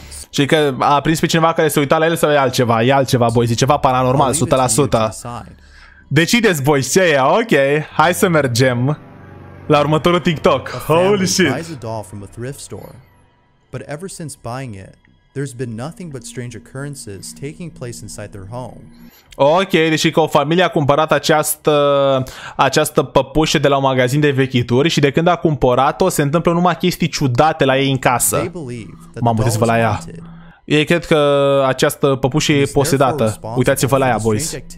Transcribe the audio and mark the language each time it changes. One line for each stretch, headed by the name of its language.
Romanian: Și că a prins pe cineva care se uita la el sau e altceva? E altceva, boys. E ceva paranormal, 100%. Decideți voi ce e, ok, hai să mergem la următorul TikTok.
English: Holy shit. Buys a doll from a thrift store. But ever since buying it, there's been nothing but strange occurrences taking place inside their home.
Romanian: Ok, deci că o familie a cumpărat această păpușă de la un magazin de vechituri și de când a cumpărat-o, se întâmplă numai chestii ciudate la ei în casă. M-am uitat la ea. Ei cred că această păpușă e posedată. Uitați-vă la ea, boys.